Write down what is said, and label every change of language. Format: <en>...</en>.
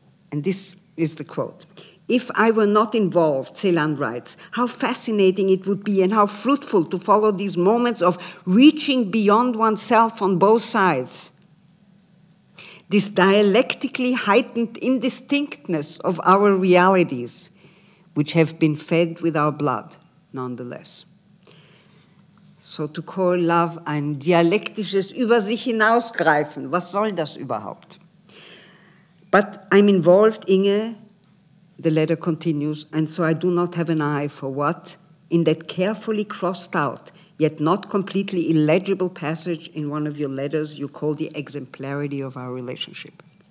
<en>And this is the quote. "If I were not involved," Celan writes, "how fascinating it would be and how fruitful to follow these moments of reaching beyond oneself on both sides. This dialectically heightened indistinctness of our realities, which have been fed with our blood, nonetheless." So to call love</en> <de>ein dialektisches über sich hinausgreifen, was soll das überhaupt?</de> <en>"But I'm involved, Inge," the letter continues, "and so I do not have an eye for what, in that carefully crossed out, yet not completely illegible passage in one of your letters, you call the exemplarity of our relationship."</en>